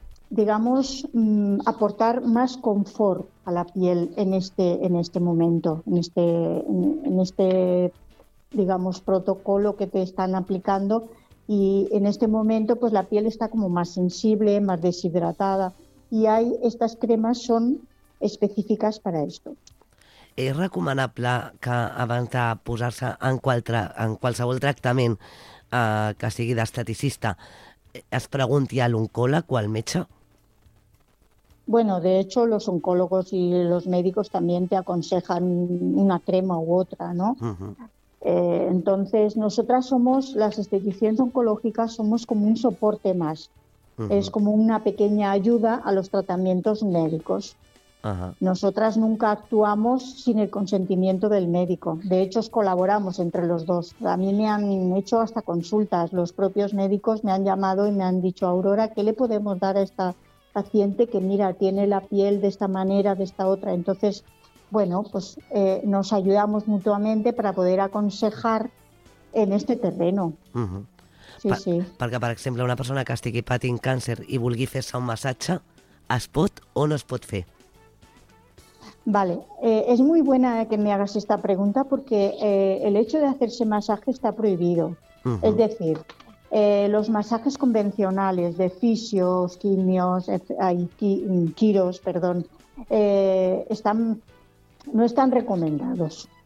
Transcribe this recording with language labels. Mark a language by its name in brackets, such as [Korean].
[Spanish] digamos, aportar más confort a la piel en este momento, en este digamos protocolo que te están aplicando, y en este momento pues la piel está como más sensible, más deshidratada, y hay estas cremas son específicas para esto. [Catalan] És recomanable que abans de posar-se en qualsevol tractament que sigui d'esteticista es pregunti a l'oncòleg o al metge? [Spanish] Bueno, de hecho, los oncólogos y los médicos también te aconsejan una crema u otra, ¿no? Entonces, nosotras somos, las esteticienses oncológicas, somos como un soporte más. Es como una pequeña ayuda a los tratamientos médicos. Nosotras nunca actuamos sin el consentimiento del médico. De hecho, colaboramos entre los dos. A mí me han hecho hasta consultas. Los propios médicos me han llamado y me han dicho, Aurora, ¿qué le podemos dar a esta paciente que, mira, tiene la piel de esta manera, de esta otra? Entonces, bueno, pues nos ayudamos mutuamente para poder aconsejar en este terreno. [Catalan] Perquè, per exemple, una persona que estigui patint càncer i vulgui fer-se un massatge, ¿es pot o no es pot fer? [Spanish] Vale, es muy buena que me hagas esta pregunta porque el hecho de hacerse masaje está prohibido. Es decir, los masajes convencionales de fisios, quimios, quiros, perdón, no están recomendados.